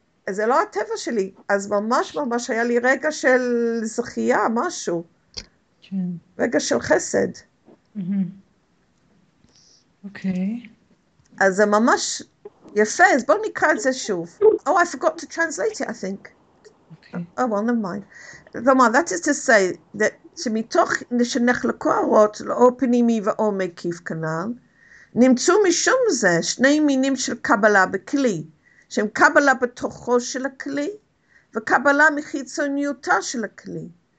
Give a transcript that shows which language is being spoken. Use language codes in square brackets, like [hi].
[he] זה לא הטבע שלי. אז ממש ממש היה לי רגע של זכייה, משהו. רגע של חסד. אוקיי. אז זה ממש יפה, אז בואו נקרא את זה שוב. [en] Oh, I forgot to translate it, I think. Okay. Oh, well, never mind. [he] כלומר, [en] that is to say, that [he] שמתוך שנחלקו הרות, לאור פנימי ואור מקיף כנל, נמצאו משום זה שני מינים של קבלה בכלי, שהם קבלה בתוכו של הכלי, וקבלה מחיצוניותה של הכלי.